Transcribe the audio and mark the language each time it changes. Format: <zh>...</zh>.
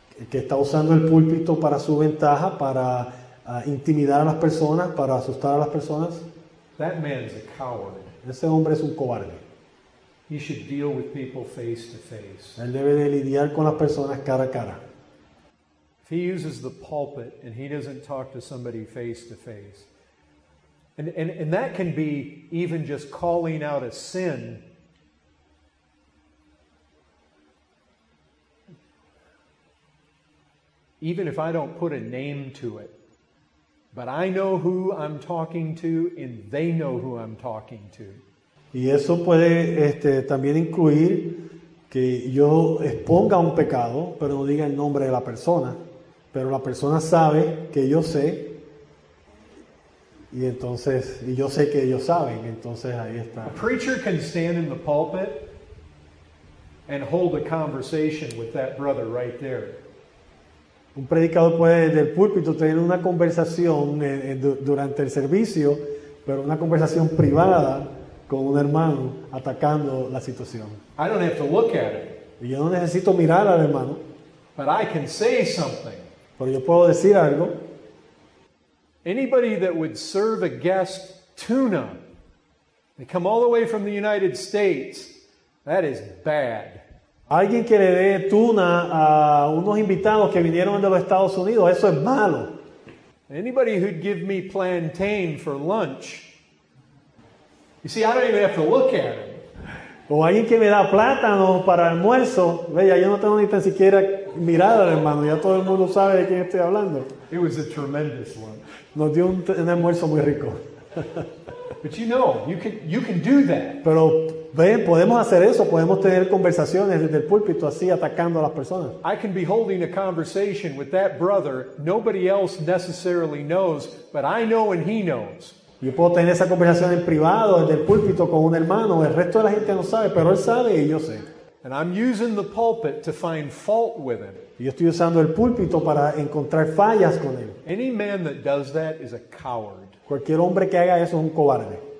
<es>que está usando el púlpito para su ventaja, para intimidar a las personas, para asustar a las personas,</es> <en>that man's a coward.</en> <es>Ese hombre es un cobarde.</es> <en>He should deal with people face to face.</en> <es>Él debe de lidiar con las personas cara a cara.</es> <en>If he uses the pulpit and he doesn't talk to somebody face to face, and that can be even just calling out a sin. Even if I don't put a name to it, but I know who I'm talking to and they know who I'm talking to.</en> <es>Y eso puede también incluir que yo exponga un pecado, pero no diga el nombre de la persona. Pero la persona sabe que yo sé, y yo sé que ellos saben, entonces ahí está.</es> <en>A preacher can stand in the pulpit and hold a conversation with that brother right there.</en> <es>Un predicador puede desde el púlpito tener una conversación durante el servicio, pero una conversación privada con un hermano atacando la situación.</es> <en>I don't have to look at it.</en> <es>Y yo no necesito mirar al hermano.</es> <en>But I can say something.</en> <es>Pero yo puedo decir algo.</es> <en>Anybody that would serve a guest tuna, they come all the way from the United States, that is bad.</en> <es>Alguien que le dé tuna a unos invitados que vinieron de los Estados Unidos, eso es malo.</es> <en>Anybody who'd give me plantain for lunch, you see, I don't even have to look at him.</en> <es>O alguien que me da plátano para almuerzo, vea, yo no tengo ni tan siquiera mirada, hermano, ya todo el mundo sabe de quién estoy hablando.</es> <en>It was a tremendous one.</en> <es>Nos dio un almuerzo muy rico.</es> <en>But you know, you can do that.</en> <es>Pero ven, podemos hacer eso, podemos tener conversaciones desde el púlpito así atacando a las personas.</es> <en>I can be holding a conversation with that brother nobody else necessarily knows, but I know and he knows.</en> <es>Yo puedo tener esa conversación en privado desde el púlpito con un hermano, el resto de la gente no sabe, pero él sabe y yo sé.</es> <en>And I'm using the pulpit to find fault with him.</en> <es>Yo estoy usando el púlpito para encontrar fallas con él.</es> <en>Any man that does that is a coward.</en> <es>Cualquier hombre que haga eso es un cobarde.</es>